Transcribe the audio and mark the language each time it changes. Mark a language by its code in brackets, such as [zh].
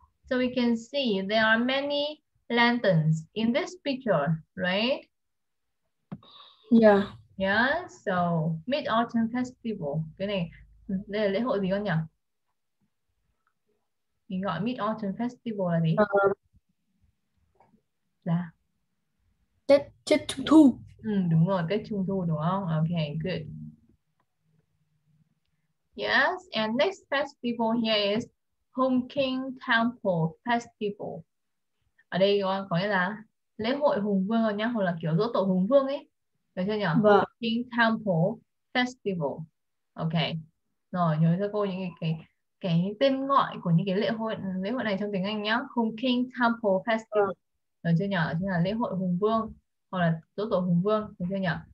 [en] So we can see there are many lanterns in this picture, right? Yeah. Yeah, so Mid-Autumn Festival. [vi] Cái này, đây là lễ hội gì con nhỉ? Mình gọi Mid-Autumn Festival là gì? Là Tết chết trung thu. ừ, đúng rồi, Tết Trung Thu đúng không? [en] Ok, good. Yes, and next festival here is Hùng Kinh Temple Festival. [vi] Ở đây có nghĩa là lễ hội Hùng Vương rồi nhá, hoặc là kiểu giỗ tổ Hùng Vương ấy. Được chưa nhỉ? Vâng. [en] Hùng Kinh Temple Festival. Ok. [vi] Rồi, nhớ cho cô những cái tên gọi của những cái lễ hội này trong tiếng Anh nhá. Hùng Kinh Temple Festival. Được chưa nhỉ? Chính là lễ hội Hùng Vương hoặc là giỗ tổ Hùng Vương, được chưa nhỉ?